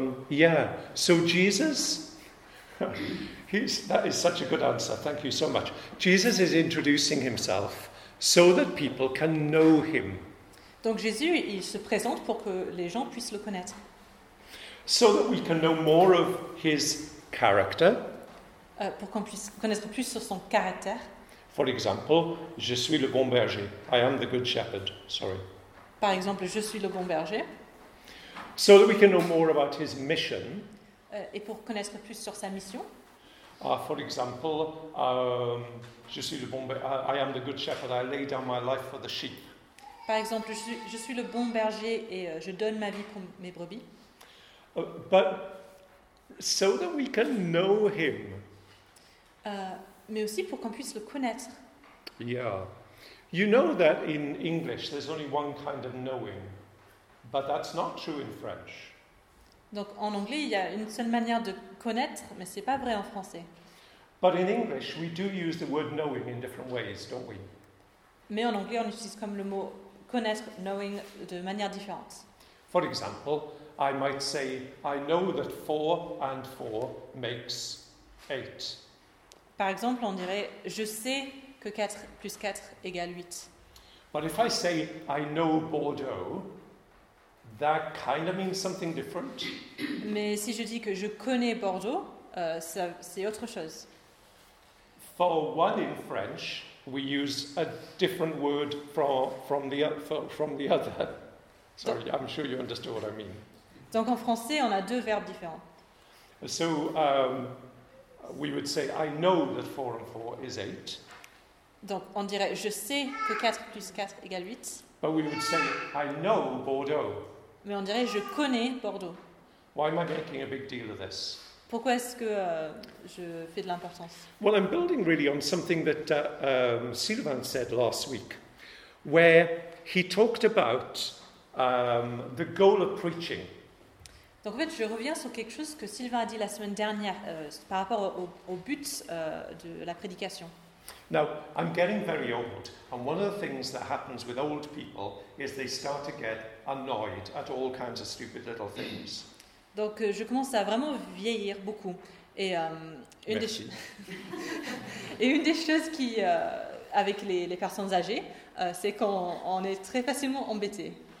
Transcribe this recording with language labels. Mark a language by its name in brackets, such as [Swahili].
[English] Yeah, so Jesus, that is such a good answer. Thank you so much. Jesus is introducing himself so that people can know him. [French] Donc Jésus, il se présente pour que les gens puissent le connaître. [English] So that we can know more of his character. [French] Pour qu'on puisse connaître plus sur son caractère. [English] For example, [French] je suis le bon berger. [English] I am the good shepherd. Sorry. [French] Par exemple, je suis le bon berger. [English] So that we can know more about his mission. [French] Et pour connaître plus sur sa mission. [English] For example, [French] je suis le bon berger. [English] I am the good shepherd. I lay down my life for the sheep. [French] Par exemple, je suis le bon berger et je donne ma vie pour mes brebis. [English] But so that we can know him. [French] Mais aussi pour qu'on puisse le connaître. [English] Yeah. You know that in English there's only one kind of knowing, but that's not true in French. [French] Donc en anglais, il y a une seule manière de connaître, mais c'est pas vrai en français. [English] But in English, we do use the word knowing in different ways, don't we? [French] Mais en anglais, on utilise comme le mot connaître, knowing, de manière différente. [English] For example, I might say, I know that 4 and 4 makes 8. [French] Par exemple, on dirait, je sais que 4 plus 4 égale 8. [English] But if I say, I know Bordeaux, that kind of means something different. [French] Mais si je dis que je connais Bordeaux, ça, c'est autre chose. [English] For one in French, we use a different word from the other. Sorry, I'm sure you understood what I mean. [French] Donc en français, on a deux verbes différents. [English] So we would say, I know that 4 and 4 is 8. [French] Donc on dirait, je sais que 4 plus 4 égale 8. [English] But we would say, I know Bordeaux. [French] Mais on dirait, je connais Bordeaux. [English] Why am I making a big deal of this? [French] Pourquoi est-ce que je fais de l'importance? [English] Well, I'm building really on something that Sylvain said last week, where he talked about the goal of preaching. [French] Donc en fait, je reviens sur quelque chose que Sylvain a dit la semaine dernière par rapport au but de la prédication. [English] Now, I'm getting very old, and one of the things that happens with old people is they start to get annoyed at all kinds of stupid little things. [French] Donc je commence à vraiment vieillir beaucoup, et une des choses qui avec les personnes âgées, c'est qu'on est très facilement embêté.